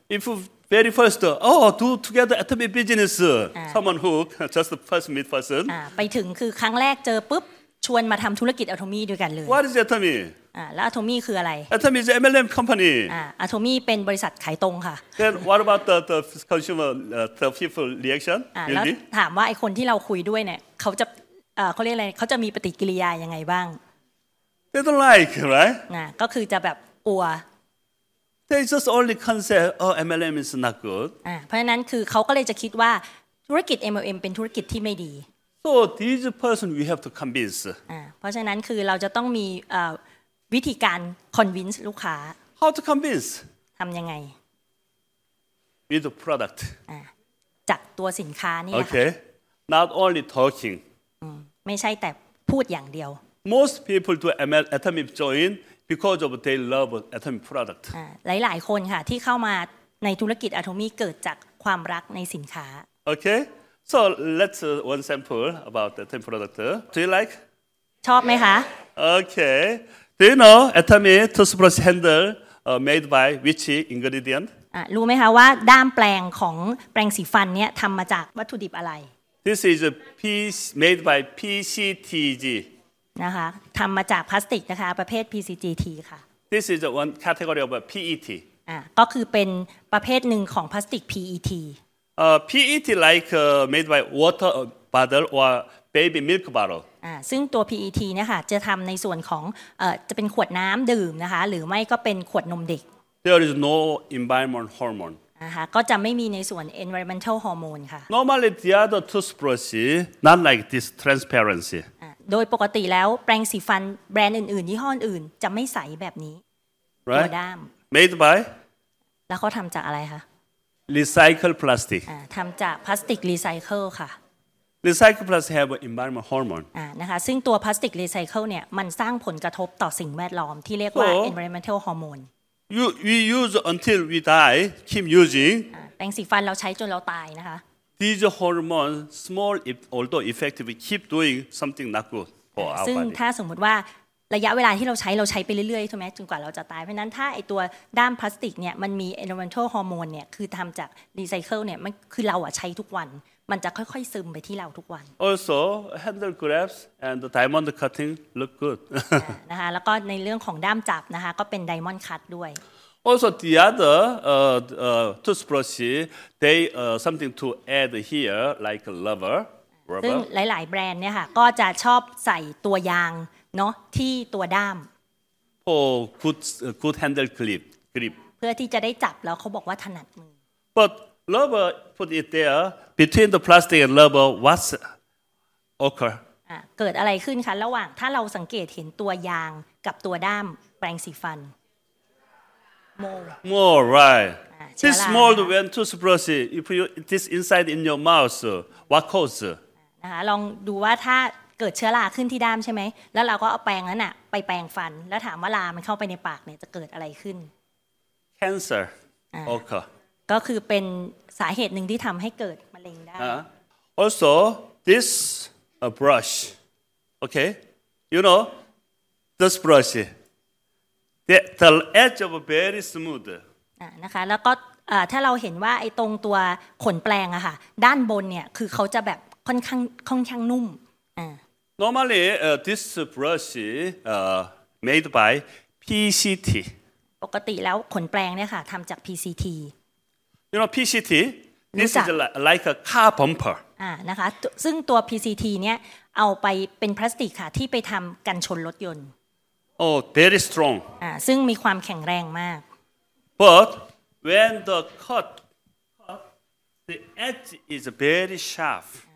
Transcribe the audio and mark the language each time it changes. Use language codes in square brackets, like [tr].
[en] ifVery first, do together Atomy business. Someone who just first meet person. [th] ไปถึงคือครั้งแรกเจอปุ๊บชวนมาทำธุรกิจ Atomy ด้วยกันเลย [en] What is Atomy? [th] แล้ว Atomy คืออะไร [en] Atomy is MLM company. [th] Atomy เป็นบริษัทขายตรงค่ะ [en] Then what about the consumer, the people reaction? [th] แล้วถามว่าไอ้คนที่เราคุยด้วยเนี่ยเขาจะเขาเรียกอะไรเขาจะมีปฏิกิริยายังไงบ้าง [en] They don't like, right? [th] ก็คือจะแบบอัว [en] They just only concept MLM is not good. [th] เพราะฉะนั้นคือเขาก็เลยจะคิดว่าธุรกิจ MLM เป็นธุรกิจที่ไม่ดี [en] So these person we have to convince. [th] เพราะฉะนั้นคือเราจะต้องมีวิธีการ convince ลูกค้า [en] How to convince? [th] ทำยังไง [en] With the product. [th] จากตัวสินค้านี่ [en] Okay. Not only talking. [th] ไม่ใช่แต่พูดอย่างเดียว [en] Most people do Atomy joinBecause of they love Atomy product. [th] หลายๆคนค่ะที่เข้ามาในธุรกิจ Atomy เกิดจากความรักในสินค้า [en] Okay. So let's one sample about the Atomy product. Do you like? [th] ชอบไหมคะ [en] Okay. Do you know Atomy toothbrush handle made by which ingredient? [th] รู้ไหมคะว่าด้ามแปลงของแปรงสีฟันเนี่ยทำมาจากวัตถุดิบอะไร [en] This is a piece made by PCTG [th] นะคะทำมาจากพลาสติกนะคะประเภท PCGT ค่ะ [en] This is one category of PET [th] ก็คือเป็นประเภทหนึ่งของพลาสติก PET [en] PET like made by water bottle or baby milk bottle [th] ซึ่งตัว PET นะคะจะทำในส่วนของจะเป็นขวดน้ำดื่มนะคะหรือไม่ก็เป็นขวดนมเด็ก [en] There is no environment hormone [th] ก็จะไม่มีในส่วน environmental hormone ค่ะ [en] Normally the other toothbrush not like this transparency [th] โดยปกติแล้วแปรงสีฟันแบรนด์อื่นๆยี่ห้ออื่นจะไม่ใสแบบนี้ [en] right. [th] ตัวด้าม [en] made by [th] แล้วเขาทำจากอะไรคะ [en] recycled plastic [th] ทำจากพลาสติกรีไซเคิลค่ะ [en] recycled plastic have environment hormone [th] นะคะซึ่งตัวพลาสติกรีไซเคิลเนี่ยมันสร้างผลกระทบต่อสิ่งแวดล้อมที่เรียกว่า environmental hormone [en] You we use until we die. Keep using. [th] แปรงสีฟันเราใช้จนเราตายนะคะ [en] These hormones, small if although effective, keep doing something not good for our body. [th] ซึ่งถ้าสมมติว่าระยะเวลาที่เราใช้ไปเรื่อยๆถูกไหมจนกว่าเราจะตายเพราะนั้นถ้าไอตัวด้ามพลาสติกเนี่ยมันมี environmental hormone เนี่ยคือทำจากรีไซเคิลเนี่ยมันคือเราใช้ทุกวันมันจะค่อยๆซึมไปที่เราทุกวัน [en] Also handle grabs and the diamond cutting look good [th] นะคะแล้วก็ในเรื่องของด้ามจับนะคะก็เป็น diamond cut ด้วย [en] Also the other toothbrush they something to add here like rubber [th] ซึ่งหลายๆแบรนด์เนี่ยค่ะก็จะชอบใส่ตัวยางเนาะที่ตัวด้าม [en] for good handle grip [th] เพื่อที่จะได้จับแล้วเขาบอกว่าถนัดมือ [en] butRubber, put it there between the plastic and rubber. What's occur? [th] เกิดอะไรขึ้นคะระหว่างถ้าเราสังเกตเห็นตัวยางกับตัวด้ามแปรงสีฟัน [en] More right. This mold when toothbrush, you put this inside in your mouth. What cause? [th] นะคะลองดูว่าถ้าเกิดเชื้อราขึ้นที่ด้ามใช่ไหมแล้วเราก็เอาแปรงนั้นอะไปแปรงฟันแล้วถามว่ารามันเข้าไปในปากเนี่ยจะเกิดอะไรขึ้น [en] Cancer. Occur. [th] ก็คือเป็นสาเหตุหนึ่งที่ทำให้เกิดมะเร็งได้ [en] Also this brush okay you know this brush the edge of very smooth [th] นะคะแล้วก็ถ้าเราเห็นว่าไอ้ตรงตัวขนแปรงอะค่ะด้านบนเนี่ยคือเขาจะแบบค่อนข้างนุ่ม [en] Normally this brush made by PCT [th] ปกติแล้วขนแปรงเนี่ยค่ะทำจาก PCT [en] You know PCT. This is like a car bumper. [th] นะคะซึ่งตัว PCT เนี้ยเอาไปเป็นพลาสติกค่ะที่ไปทำกันชนรถยนต์ [en] Oh, very strong. [th] ซึ่งมีความแข็งแรงมาก [en] But when the cut, the edge is very sharp.